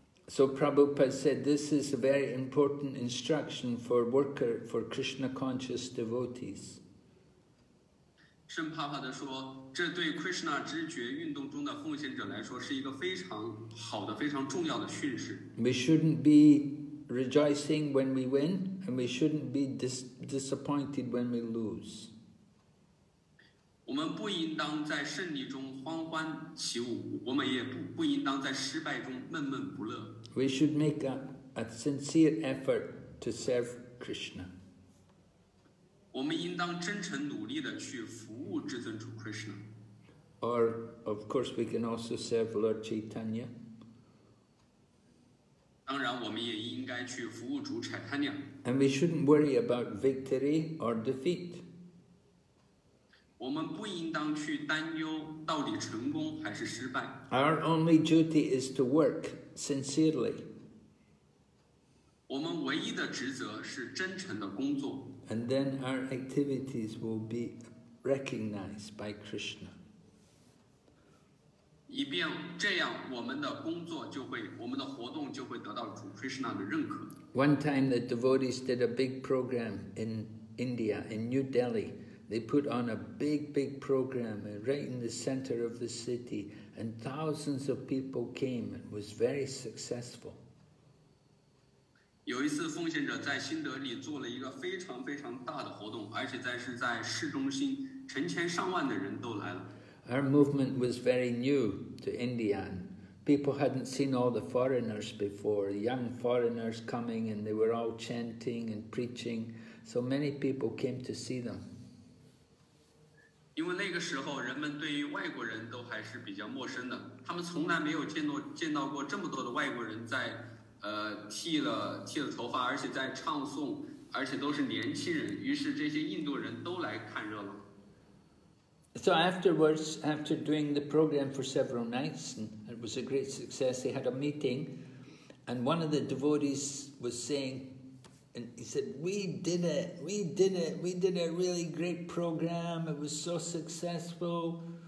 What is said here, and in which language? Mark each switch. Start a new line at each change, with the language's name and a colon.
English: So Prabhupada said, this is a very important instruction for Krishna conscious devotees.
Chinese: 圣帕帕的说，这对 Krishna 知觉运动中的奉献者来说是一个非常好的、非常重要的训示。
English: We shouldn't be rejoicing when we win, and we shouldn't be disappointed when we lose.
Chinese: 我们不应当在胜利中欢欢起舞，我们也不应当在失败中闷闷不乐。
English: We should make a sincere effort to serve Krishna.
Chinese: 我们应当真诚努力地去服务至尊主 Krishna.
English: Or, of course, we can also serve Lord Chaitanya.
Chinese: 当然，我们也应该去服务主 Chaitanya.
English: And we shouldn't worry about victory or defeat.
Chinese: 我们不应当去担忧到底成功还是失败。
English: Our only duty is to work. Sincerely.
Chinese: 我们唯一的职责是真诚的工作。
English: And then our activities will be recognized by Krishna.
Chinese: 以便这样，我们的工作就会，我们的活动就会得到主 Krishna 的认可。
English: One time, the devotees did a big program in India, in New Delhi. They put on a big program right in the center of the city. And thousands of people came and was very successful.
Chinese: 有一次奉献者在新德里做了一个非常非常大的活动，而且是在市中心，成千上万的人都来了。
English: Our movement was very new to India. People hadn't seen all the foreigners before. Young foreigners coming and they were all chanting and preaching. So many people came to see them.
Chinese: 因为那个时候人们对于外国人都还是比较陌生的，他们从来没有见到过这么多的外国人在剃了头发，而且在唱诵，而且都是年轻人，于是这些印度人都来看热闹。
English: So afterwards, after doing the program for several nights, and it was a great success, they had a meeting, and one of the devotees was saying, And he said, we did a really great program, it was so successful.